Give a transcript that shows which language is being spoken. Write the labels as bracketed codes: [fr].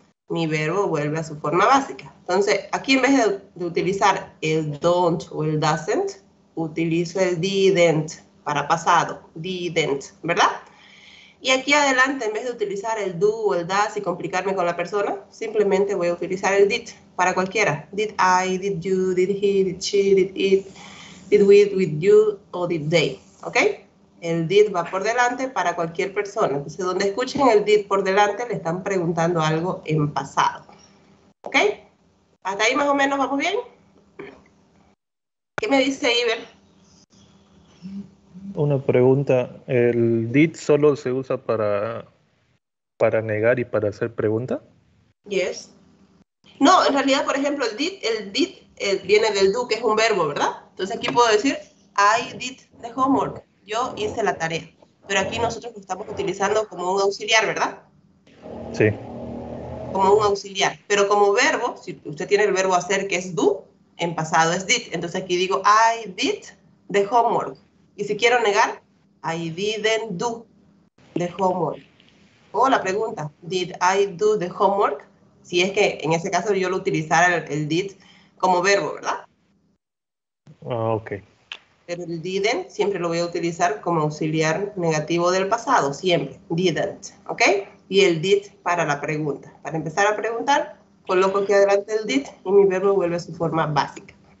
[es] Mi verbo vuelve a su forma básica. Entonces, aquí en vez de utilizar el don't o el doesn't, utilizo el didn't para pasado. Didn't, ¿verdad? Y aquí adelante, en vez de utilizar el do o el does y complicarme con la persona, simplemente voy a utilizar el did para cualquiera. [en] Did I, did you, did he, did she, did it, did we, did you, o did they. [es] ¿Ok? El did va por delante para cualquier persona. Entonces, donde escuchen el did por delante, le están preguntando algo en pasado. ¿Ok? ¿Hasta ahí más o menos vamos bien? ¿Qué me dice Iber? Una pregunta, ¿el did solo se usa para negar y para hacer pregunta? [en] Yes. [es] No, en realidad, por ejemplo, el did viene del do, que es un verbo, ¿verdad? Entonces aquí puedo decir, [en] I did the homework, [es] yo hice la tarea. Pero aquí nosotros lo estamos utilizando como un auxiliar, ¿verdad? Sí. Como un auxiliar, pero como verbo, si usted tiene el verbo hacer, que es do, en pasado es did. Entonces aquí digo, [en] I did the homework. [es] Y si quiero negar, [en] I didn't do the homework. [es] O la pregunta, [en] did I do the homework? [es] Si es que en ese caso yo lo utilizara el did como verbo, ¿verdad? Ah, ok. Pero el didn't siempre lo voy a utilizar como auxiliar negativo del pasado, siempre. Didn't, ¿ok? Y el did para la pregunta. Para empezar a preguntar, coloco aquí adelante el did y mi verbo vuelve a su forma básica.